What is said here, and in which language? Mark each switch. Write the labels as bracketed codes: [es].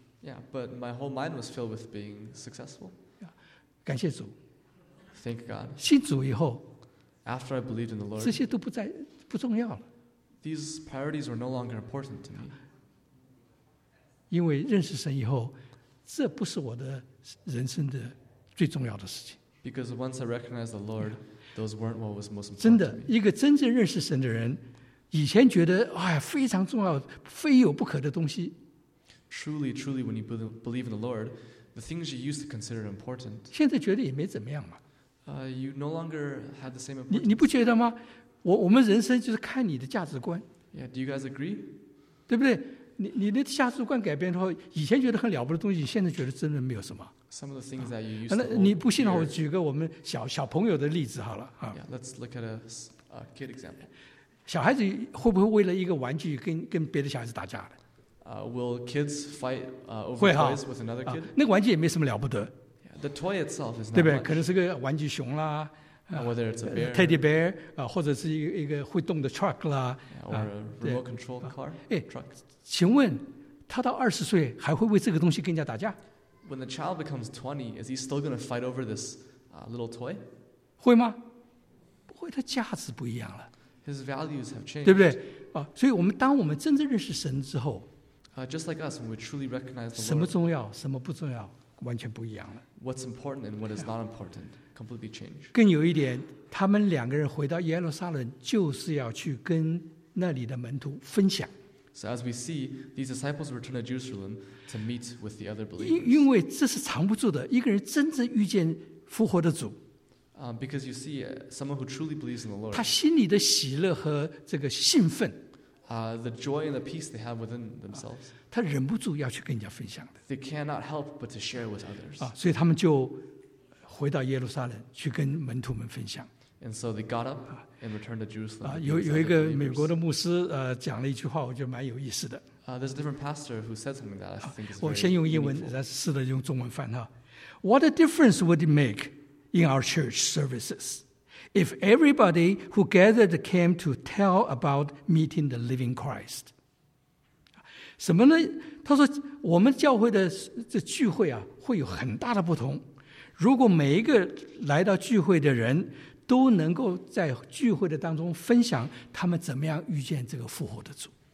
[en] Yeah, but my whole mind was filled with being successful. Yeah, [zh] 感谢主。 [en] Thank God. [zh] 信主以后 [en] ，After I believed in the Lord, [zh] 这些都不重要了。 [en] These priorities were no longer important to me. [zh] 因为认识神以后，这不是我的人生的最重要的事情。 [en] Because once I recognized the Lord, those weren't what was most important. [zh] 真的，一个真正认识神的人，以前觉得、哎、非常重要非有不可的东西 [en] truly truly when you believe in the Lord the things you used to consider important [zh] 现在觉得也没怎么样嘛、 [en] you no longer had the same [zh] 你不觉得吗 我们人生就是看你的价值观 [en] yeah, do you guys agree [zh] 对不对 你的价值观改变的话以前觉得很了不得的东西现在觉得真的没有什么 [en] Some of the things that you used to hold. [zh] 你不信的话，我举个我们小朋友的例子好了。 [en] Yeah, let's look at a kid example. [zh] 小孩子会不会为了一个玩具跟别的小孩子打架的？ [en] Will kids fight over toys with another kid? [zh] 那个玩具也没什么了不得。 [en] Yeah, the toy itself is not. [zh] 对不对？可能是个玩具熊啦。 [en] Whether it's a bear. [zh] Teddy bear, 或者是一个会动的 truck 啦。 [en] Or a remote control car. Truck. [zh] 请问他到二十岁还会为这个东西跟人家打架？ [en] When the child becomes 20, is he still going to fight over this little toy? [zh] 会吗？不会，他价值不一样了。 [en] His values have changed. [zh] 对不对？所以我们当我们真正认识神之后 [en] just like us, when we truly recognize the Lord, [zh] 什么重要，什么不重要，完全不一样了。 [en] What's important and what is not important completely changed. [zh] 更有一点，他们两个人回到耶路撒冷，就是要去跟那里的门徒分享。 [en] So as we see, these disciples return to Jerusalem to meet with the other believers. [zh] 因为这是藏不住的，一个人真正遇见复活的主。 [en] Because you see, someone who truly believes in the Lord. [zh] 他心里的喜乐和这个兴奋。 [en] The joy and the peace they have within themselves. [zh] 他忍不住要去跟人家分享的。 [en] They cannot help but to share with others. [zh] 所以他们就回到耶路撒冷去跟门徒们分享。 [en] And so they got up and returned to Jerusalem. [zh] 有一个美国的牧师讲了一句话，我觉得蛮有意思的。 [en] There's a different pastor who said something that I think is very meaningful. [zh] 我先用英文，然后试着用中文翻哈。 [en] What a difference would it make in our church services if everybody who gathered came to tell about meeting the living Christ? [zh] 什么呢？他说我们教会的这聚会啊，会有很大的不同。如果每一个来到聚会的人都能够在聚会的当中分享他们怎么样遇见这个复活的主。